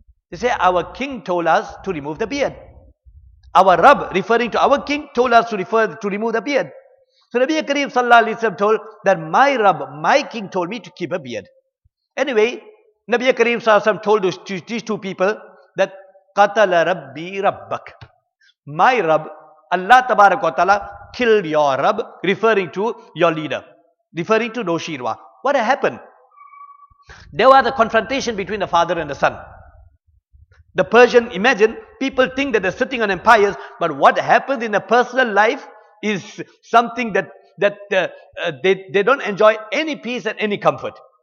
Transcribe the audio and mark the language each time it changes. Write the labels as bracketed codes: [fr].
[en] They say, our king told us to remove the beard. Our Rabb, referring to our king, told us to remove the beard. So Nabi Kareem sallallahu alaihi wasallam told that my Rabb, my king told me to keep a beard. Anyway, Nabi Kareem sallallahu alaihi wasallam told these two people that [ar] قتل ربی ربک, [en] My رب, اللہ تبارک و تعالیٰ killed your رب, referring to your leader, referring to Noshirwa. What happened? There was a confrontation between the father and the son. The Persian, imagine, people think that they're sitting on empires, but what happened in a personal life is something that they don't enjoy any peace and any comfort.